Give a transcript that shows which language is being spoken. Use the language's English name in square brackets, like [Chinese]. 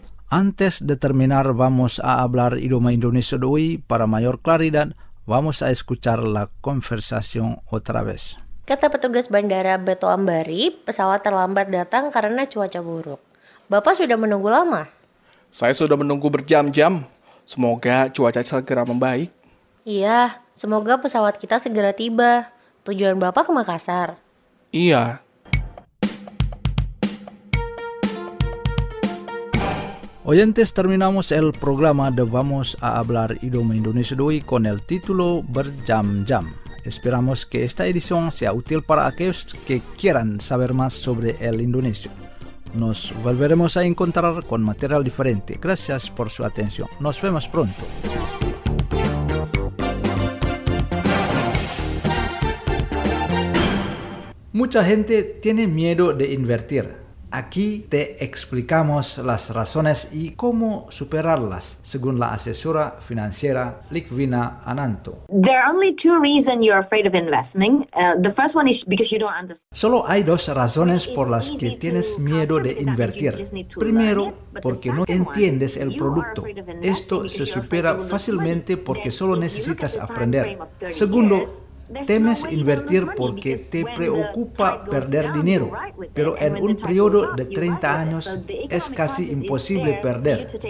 [Spanish] Antes de terminar, vamos a hablar idioma indonesio de hoy. Para mayor claridad, vamos a escuchar la conversación otra vez. [Indonesian] Kata petugas bandara Betoambari, pesawat terlambat datang karena cuaca buruk. Bapak sudah menunggu lama? Saya sudah menunggu berjam-jam. Semoga cuaca segera membaik. Iya, semoga pesawat kita segera tiba. Tujuan Bapak ke Makassar? Iya. [Spanish] Oyentes, terminamos el programa de Vamos a Hablar Idioma Indonesio de hoy con el título Berjam-jam. Esperamos que esta edición sea útil para aquellos que quieran saber más sobre el indonesio. Nos volveremos a encontrar con material diferente. Gracias por su atención. Nos vemos pronto. Mucha gente tiene miedo de invertir. Aquí te explicamos las razones y cómo superarlas, según la asesora financiera Likvina Ananto. [English] There are only two reasons you're afraid of investing. The first one is because you don't understand. [Spanish] Solo hay dos razones por las que tienes miedo de invertir. Primero, porque no entiendes el producto. Esto se supera fácilmente porque solo necesitas aprender. Segundo, temes invertir porque te preocupa perder dinero, pero en un periodo de 30 años es casi imposible perder.